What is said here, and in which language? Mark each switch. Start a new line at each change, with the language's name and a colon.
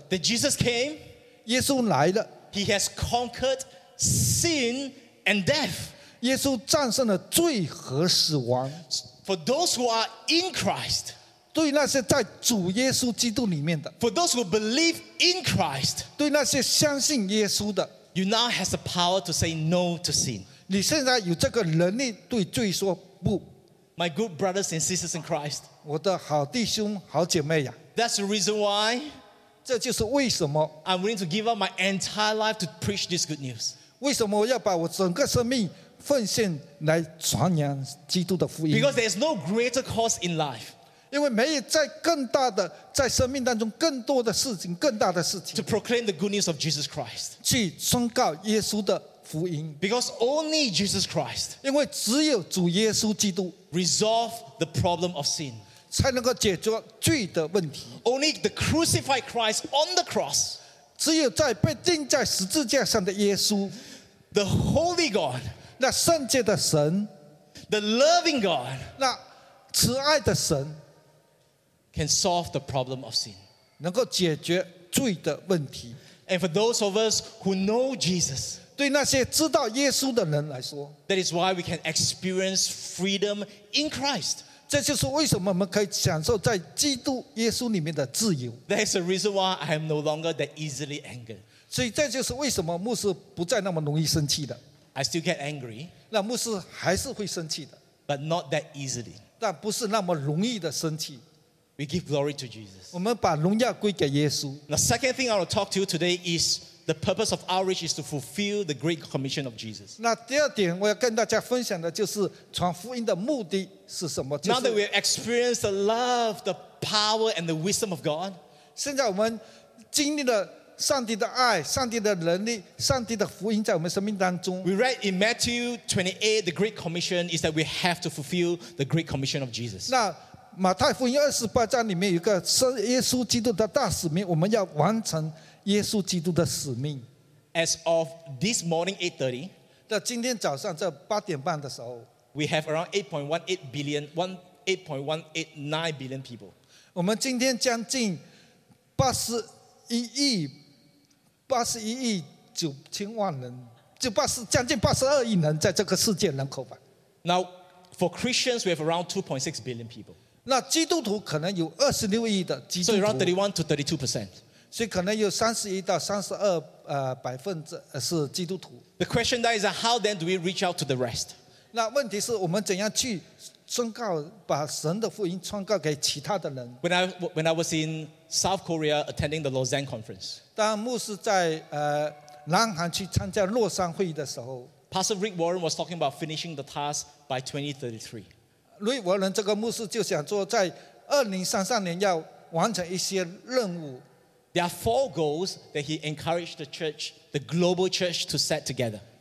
English: ：That Jesus came，
Chinese: 耶稣来了
English: ，He has conquered sin and death。
Chinese: 耶稣战胜了罪和死亡。
English: For those who are in Christ,
Chinese: 对那些在主耶稣基督里面的。
English: For those who believe in Christ,
Chinese: 对那些相信耶稣的。
English: You now have the power to say no to sin.
Chinese: 你现在有这个能力对罪说不。
English: My good brothers and sisters in Christ,
Chinese: 我的好弟兄好姐妹呀。
English: That's the reason why,
Chinese: 这就是为什么。
English: I'm willing to give up my entire life to preach this good news.
Chinese: 为什么我要把我整个生命奉献来传扬基督的福音
English: Because there is no greater cause in life
Chinese: 因为没有在更大的在生命当中更多的事情更大的事情
English: To proclaim the good news of Jesus Christ
Chinese: 去宣告耶稣的福音
English: Because only Jesus Christ
Chinese: 因为只有主耶稣基督
English: Resolve the problem of sin
Chinese: 才能够解决罪的问题。
English: Only the crucified Christ on the cross，
Chinese: 只有在被钉在十字架上的耶稣
English: ，the Holy God，
Chinese: 那圣洁的神
English: ，the loving God，
Chinese: 那慈爱的神
English: ，can solve the problem of sin，
Chinese: 能够解决罪的问题。
English: And for those of us who know Jesus，
Chinese: 对那些知道耶稣的人来说
English: ，that is why we can experience freedom in Christ。
Chinese: 这就是为什么我们可以享受在基督耶稣里面的自由。
English: That is the reason why I am no longer that easily angered。
Chinese: 所以这就是为什么牧师不再那么容易生气的。
English: I still get angry。
Chinese: 那牧师还是会生气的。
English: But not that easily。
Chinese: 但不是那么容易的生气。
English: We give glory to Jesus。
Chinese: 我们把荣耀归给耶稣。
English: The second thing I will talk to you today is the purpose of outreach is to fulfill the great commission of Jesus。
Chinese: 那第二点我要跟大家分享的就是传福音的目的。是什么？就是、
English: Now that we have experienced the love, the power, and the wisdom of God,
Chinese: 现在我们经历了上帝的爱、上帝的能力、上帝的福音在我们生命当中。
English: We read in Matthew 28, the Great Commission is that we have to fulfill the Great Commission of Jesus.
Chinese: 那马太福音二十八章里面有一个耶稣基督的大使命，我们要完成耶稣基督的使命。
English: As of this morning, 8:30,
Chinese: 到今天早上这八点半的时候。
English: We have around 8.189 billion people.
Chinese: 我们今天将近81亿9千万人，将近82亿人在这个世界人口吧。
English: Now, for Christians, we have around 2.6 billion people.
Chinese: 那基督徒可能有26亿的基督徒。
English: So around 31-32%.
Chinese: 所以可能有31-32%百分之是基督徒。
English: The question then is how then do we reach out to the rest?
Chinese: 那问题是我们怎样去宣告把神的福音宣告给其他的人
English: When I was in South Korea attending the Lausanne Conference
Chinese: 当牧师在南韩去参加洛桑会议的时候
English: Pastor Rick Warren was talking about finishing the task by 2033
Chinese: Rick Warren 这个牧师就想说在2033年要完成一些任务
English: There are four goals that he encouraged the church the global church to set together